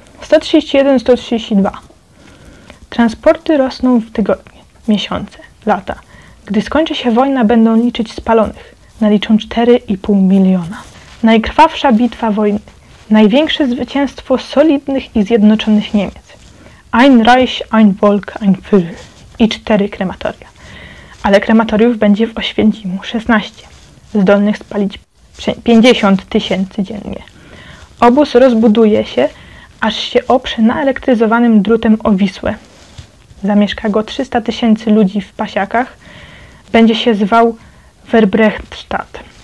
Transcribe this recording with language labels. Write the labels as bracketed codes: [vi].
[pl] 131, 132. Transporty rosną w tygodnie, miesiące, lata. Gdy skończy się wojna, będą liczyć spalonych. Naliczą 4,5 miliona. Najkrwawsza bitwa wojny. Największe zwycięstwo solidnych i zjednoczonych Niemiec. [de] Ein Reich, ein Volk, ein Führer. [pl] I 4 krematoria. Ale krematoriów będzie w Oświęcimu 16. Zdolnych spalić 50 tysięcy dziennie. Obóz rozbuduje się, aż się oprze na elektryzowanym drutem o Wisłę. Zamieszka go 300 tysięcy ludzi w pasiakach. Będzie się zwał Verbrechtstadt.